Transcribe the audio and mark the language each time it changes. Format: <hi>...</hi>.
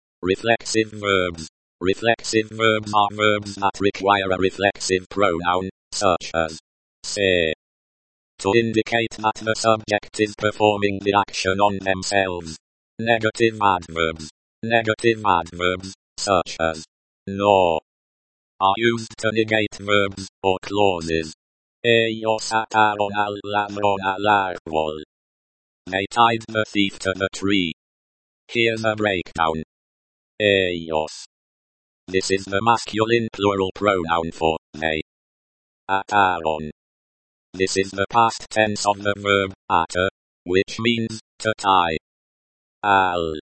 <en>Reflexive verbs. Reflexive verbs are verbs that require a reflexive pronoun, such as say, to indicate that the subject is performing the action on themselves. Negative adverbs. Negative adverbs, such as no, are used to negate verbs or clauses.</en> <es>Ellos ataron al ladrón al árbol.</es> <en>They tied the thief to the tree. Here's a breakdown. Ellos. This is the masculine plural pronoun for they. Ataron. This is the past tense of the verb atar, which means to tie. Al.</en>